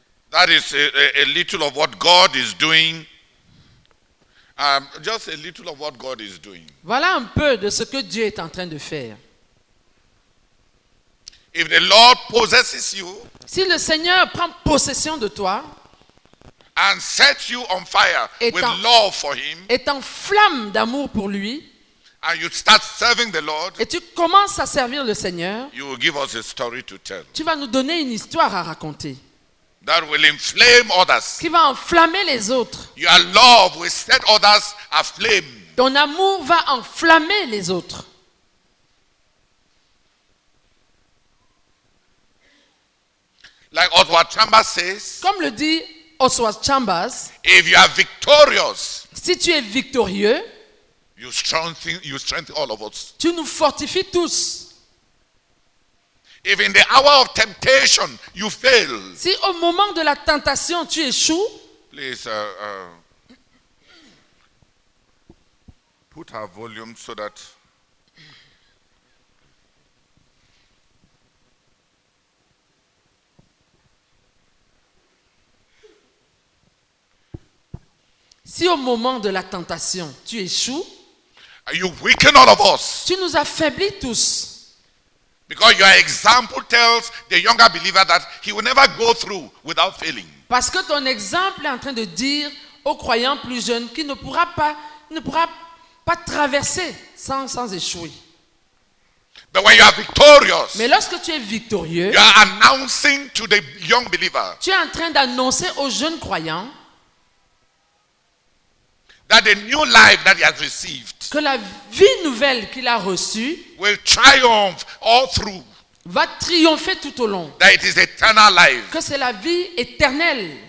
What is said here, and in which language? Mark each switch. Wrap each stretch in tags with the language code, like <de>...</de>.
<en>That is a little of what God is doing. Just a little of what God is doing.</en> <fr>Voilà un peu de ce que Dieu est en train de faire.</fr> <en>If the Lord possesses you,</en> <fr>si le Seigneur prend possession de toi,</fr> <en>and sets you on fire with love for him,</en> <fr>est en flamme d'amour pour lui,</fr> <en>and you start serving the Lord,</en> <fr>et tu commences à servir le Seigneur,</fr> <en>you will give us a story to tell.</en> <fr>Tu vas nous donner une histoire à raconter.</fr> <en>That will inflame others.</en> <fr>Qui va enflammer les autres.</fr> <en>Your love will set others aflame.</en> <fr>Ton amour va enflammer les autres.</fr> <en>Like Oswald Chambers says,</en> <fr>comme le dit Oswald Chambers,</fr> <en>if you are victorious,</en> <fr>si tu es victorieux,</fr> <en>you strengthen all of us.</en> <fr>Tu nous fortifies tous.</fr> <en>If in the hour of temptation you fail,</en> <fr>si au moment de la tentation tu échoues,</fr> <en>please put her volume so that</en> <fr>si au moment de la tentation tu échoues,</fr> <en>you weaken all of us.</en> <fr>Tu nous affaiblis tous.</fr> <en>Because your example tells the younger believer that he will never go through without failing.</en> <fr>Parce que ton exemple est en train de dire au croyant plus jeune qu'il ne pourra pas traverser sans échouer.</fr> <en>But when you are victorious,</en> <fr>mais lorsque tu es victorieux,</fr> <en>you are announcing to the young believer,</en> <fr>tu es en train d'annoncer aux jeunes croyants</fr> <en>that the new life that he has received,</en> <fr>que la vie nouvelle qu'il a reçue,</fr> <en>will triumph all through,</en> <fr>va triompher tout au long,</fr> <en>that it is eternal life,</en> <fr>que c'est la vie éternelle,</fr>